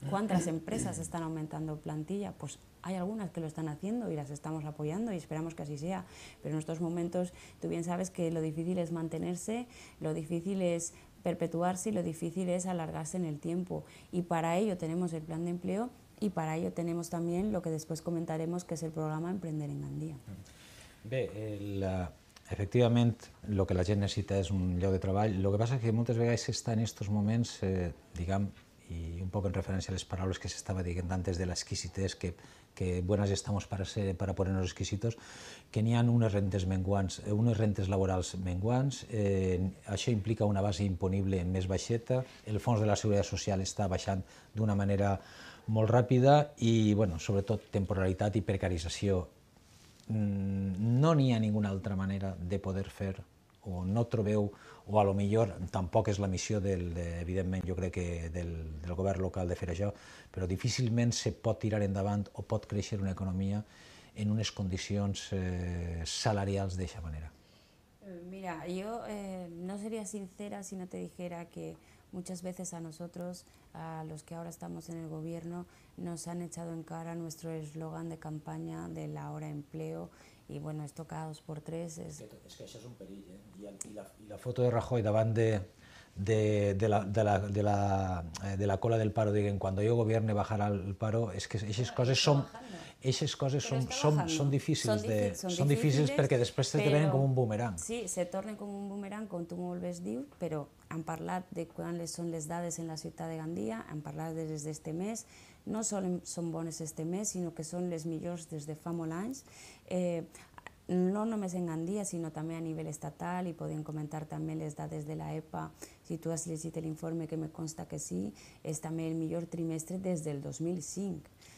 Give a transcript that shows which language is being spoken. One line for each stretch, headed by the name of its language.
Spanish: ¿Cuántas empresas están aumentando plantilla? Pues hay algunas que lo están haciendo y las estamos apoyando y esperamos que así sea, pero en estos momentos tú bien sabes que lo difícil es mantenerse, lo difícil es perpetuarse y lo difícil es alargarse en el tiempo, y para ello tenemos el plan de empleo.
Catalan: I per això tenim també el que després comentarem, que és el programa Emprender en Gandia. Bé, efectivament, el que la gent necessita és un lloc de treball. El que passa és que moltes vegades s'està en aquests moments, diguem, i un poc en referència a les paraules que s'estava dient antes de l'exquisitès,
Spanish: que buenas estamos para ser, para ponernos exquisitos,
Catalan: que n'hi ha unes rentes menguants, unes rentes laborals menguants, això implica una base imponible més baixeta, el fons de la Seguretat Social està baixant d'una manera molt ràpida i, bueno, sobretot, temporalitat i precarització. No n'hi ha ninguna altra manera de poder fer, o no trobeu, o a lo millor tampoc és la missió, evidentment, jo crec que del govern local de fer això, però difícilment se pot tirar endavant o pot créixer una economia en unes condicions salarials d'aquesta manera. Mira, jo no seria sincera si no
Spanish: te dijera que muchas veces a nosotros, a los que ahora estamos en el gobierno, nos han echado en cara nuestro eslogan de campaña de la hora empleo, y bueno, esto cada dos por tres es... Es que eso es un perill, ¿eh? Y la foto de Rajoy
Catalan: davant de
Spanish: la cola del paro, diguen, cuando yo gobierne bajará el paro, es que esas cosas son...
Catalan: Aquestes coses són difícils perquè després se tornen com un boomerang. Sí, se tornen com un boomerang, com tu molt bé dius, però han parlat de quines són les dades en la ciutat de Gandia, han parlat des d'este mes, no només són bones este mes, sinó que són les millors des de fa molts anys, no només en Gandia, sinó també a nivell estatal, i podem comentar també les dades de la EPA, si tu has llegit l'informe, que me consta que sí, és també el millor trimestre des del 2005.